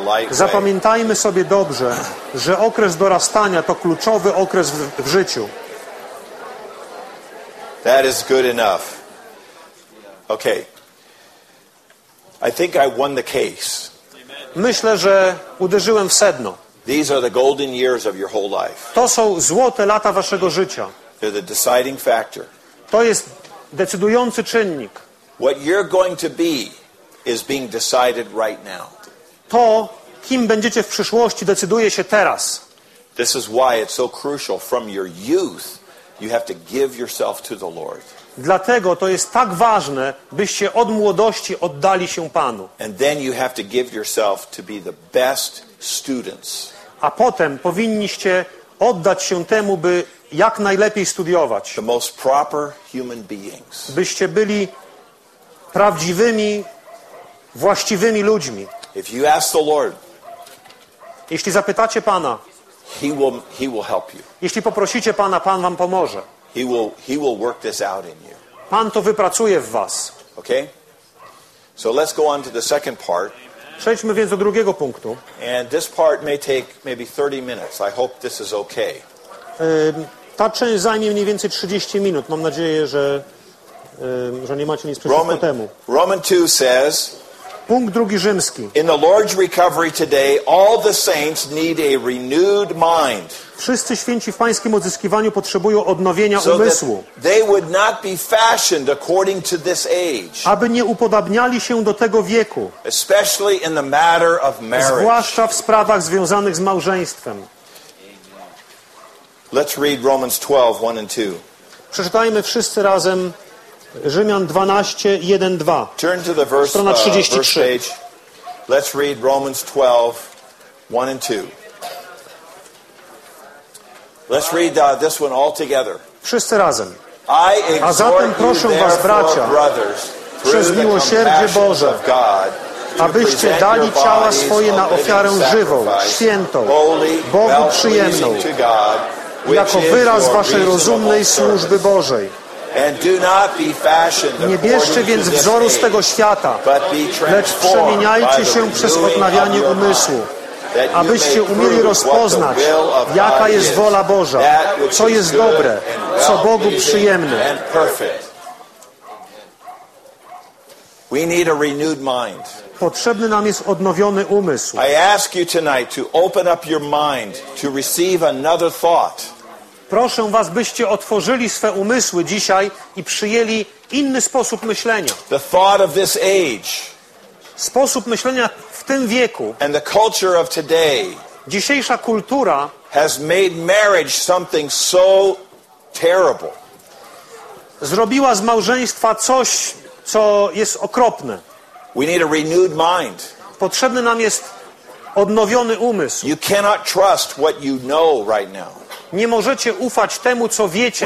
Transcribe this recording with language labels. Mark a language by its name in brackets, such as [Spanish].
[Polish] Zapamiętajmy sobie dobrze, że okres dorastania to kluczowy okres w życiu. [English] That is good enough. Okay. I think I won the case. [Polish] Myślę, że uderzyłem w sedno. [English] These are the golden years of your whole life. [Polish] To są złote lata waszego życia. [English] They're the deciding factor. [Polish] To jest decydujący czynnik. [English] What you're going to be is being decided right now. [Polish] To, kim będziecie w przyszłości, decyduje się teraz. [English] This is why it's so crucial from your youth you have to give yourself to the Lord. [Polish] Dlatego to jest tak ważne, byście od młodości oddali się Panu. [English] And then you have to give yourself to be the best students. [Polish] A potem powinniście oddać się temu, by jak najlepiej studiować. [English] The most proper human beings. [Polish] Byście byli prawdziwymi, właściwymi ludźmi. [English] If you ask the Lord, [Polish] jeśli zapytacie Pana, [English] he will help you. [Polish] Jeśli poprosicie Pana, Pan wam pomoże. [English] He will work this out in you. [Polish] Pan to wypracuje w was. [English] Okay? So let's go on to the second part. [Polish] Przejdźmy więc do drugiego punktu. [English] And this part may take maybe 30 minutes. I hope this is okay. [Polish] Ta część zajmie mniej więcej 30 minut. Mam nadzieję, że nie macie nic przeciwko temu. [English] Roman 2 says. [Polish] Punkt drugi rzymski. [English] In the Lord's recovery today, all the saints need a renewed mind. [Polish] Wszyscy święci w Pańskim odzyskiwaniu potrzebują odnowienia umysłu. [English] They would not be fashioned according to this age. [Polish] Aby nie upodabniali się do tego wieku. [English] Especially in the matter of marriage. [Polish] Zwłaszcza w sprawach związanych z małżeństwem. [English] Let's read Romans 12:1-2. [Polish] Przeczytajmy wszyscy razem Rzymian 12:1-2. [English] Turn to the verse, [Polish] strona 33. [English] Verse Let's read Romans 12:1-2. Let's read this one all together. [Polish] Wszyscy razem. [English] I [Polish] a zatem proszę was, bracia, [English] brothers, [Polish] przez miłosierdzie Boże, [English] God, [Polish] abyście dali ciała swoje na ofiarę żywą, świętą, [English] holy, [Polish] Bogu przyjemną, [English] God, [Polish] jako wyraz waszej rozumnej służby Bożej. [English] And do not be fashioned [Polish] nie bierzcie więc wzoru z tego świata, lecz przemieniajcie się przez odnawianie umysłu, abyście umieli rozpoznać, jaka jest wola Boża, co jest dobre, co Bogu przyjemne. [English] We need a renewed mind. [Polish] Potrzebny nam jest odnowiony umysł. [English] I ask you tonight to open up your mind to receive another thought. [Polish] Proszę was, byście otworzyli swe umysły dzisiaj i przyjęli inny sposób myślenia. [English] The thought of this age. [Polish] Sposób myślenia w tym wieku. [English] And the culture of today. [Polish] Dzisiejsza kultura [English] has made marriage something so terrible. [Polish] Zrobiła z małżeństwa coś co jest okropne. [English] We need a renewed mind. [Polish] Potrzebny nam jest odnowiony umysł. [English] You cannot trust what you know right now. [Polish] Nie możecie ufać temu, co wiecie